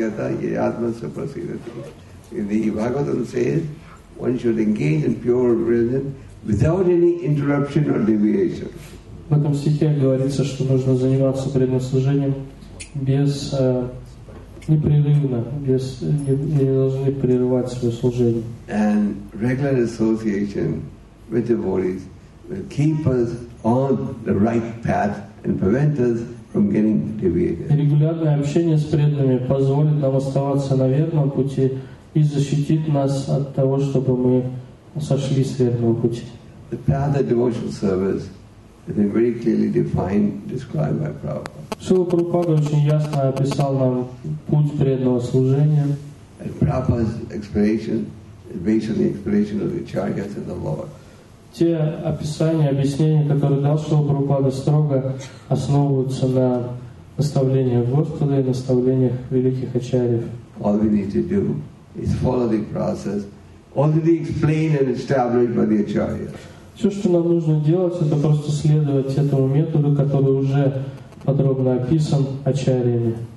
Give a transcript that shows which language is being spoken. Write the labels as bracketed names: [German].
[English] In the Bhagavatam says, one should engage in pure religion without any interruption or deviation. [Russian] В этом стихе говорится, что нужно заниматься преданным служением без непрерывно, без не должны прерывать свое служение. [English] And regular association with devotees will keep us on the right path and prevent us from getting deviated. [Russian] Регулярное общение с преданными позволит нам оставаться на верном пути и защитит нас от того, чтобы мы сошли с верного пути. [English] The path of devotional service has been very clearly defined, described by Prabhupada. [Russian] Шрила Прабхупада очень ясно описал нам путь преданного служения. [English] And Prabhupada's explanation is based on the explanation of the Acharyas and the Lord. [Russian] Те описания, объяснения, которые дал Шрила Прабхупада, строго основываются на наставлениях Господа и наставлениях великих Ачарьев. [English] All we need to do is follow the process already explained and established by the Acharyas. [Russian] Все, что нам нужно делать, это просто следовать этому методу, который уже подробно описан ачарьями.